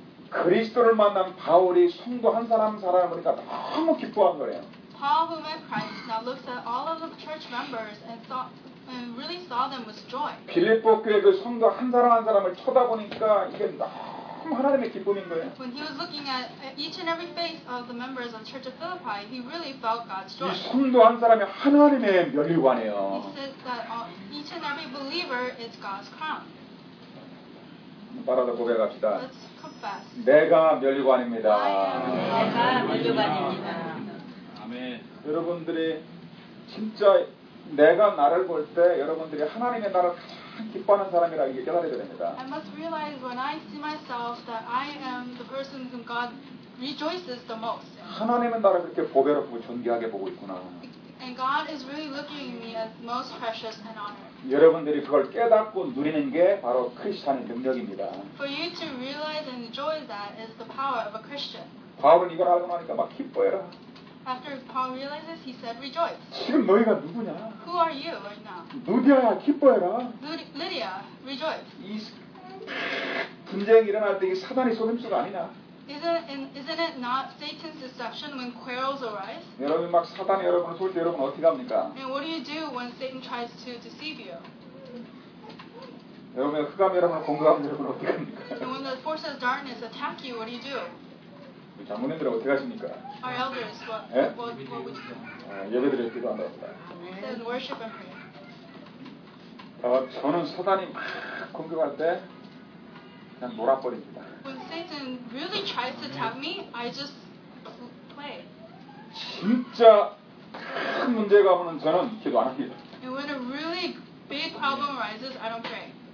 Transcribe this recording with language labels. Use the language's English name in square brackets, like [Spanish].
[Korean] 그리스도를 만난 바울이 성도 한 사람 사람을 보니까 너무 기뻐한 거래요. [English] Paul who met Christ now looks at all of the church members and really saw them with joy. [Korean] 빌립보 교회 그 성도 한 사람 한 사람을 쳐다보니까 이게 너무 하나님의 기쁨인 거예요. [English] When he was looking at each and every face of the members of the Church of Philippi, he really felt God's joy. [Korean] 이 성도 한 사람이 하나님의 면류관이에요. [English] He says that each and every believer is God's crown. [Korean] 바라도 고백합시다. [English] Let's confess. [Korean] 내가 면류관입니다. 내가 면류관입니다. 아멘. 여러분들이 진짜 내가 나를 볼 때 여러분들이 하나님의 나를 가장 기뻐하는 사람이라 이게 깨달아야 됩니다. [English] I must realize when I see myself that I am the person whom God rejoices the most. [Korean] 하나님은 나를 그렇게 보배롭고 존귀하게 보고 있구나. [English] And God is really looking at me as most precious and honored. [Korean] 여러분들이 그걸 깨닫고 누리는 게 바로 크리스찬의 능력입니다. [English] For you to realize and enjoy that is the power of a Christian. [Korean] 바울은 이걸 알고 나니까 막 기뻐해라. [English] After Paul realizes, he said, "Rejoice." [Korean] 지금 너희가 누구냐? [English] Who are you right now? [Korean] 누디아야, 기뻐해라. [English] Lydia, rejoice. [Korean] 이 분쟁이 일어날 때 이 사단의 속임수가 아니냐? [English] Isn't it not Satan's deception when quarrels arise? [Korean] 여러분 막 사단이 여러분을 속일 때 여러분 어떻게 합니까? [English] And what do you do when Satan tries to deceive you? [Korean] 여러분 흑암 여러분을 공격하면 여러분 어떻게 합니까? [English] And when the forces of darkness attack you, what do you do? [Korean] 장모님들 어떻게 하십니까? [English] Our elders, what would you do? [Korean] 예배드려 기도한다고 합니다. [English] Then worship and pray. [Korean] 저는 사단이 막 공격할 때 그냥 놀아버립니다. [English] When Satan really tries to tap me, I just play. [Korean] 진짜 큰 문제가 오면 저는 기도 안 합니다. [English] And when a really big problem arises, I don't pray.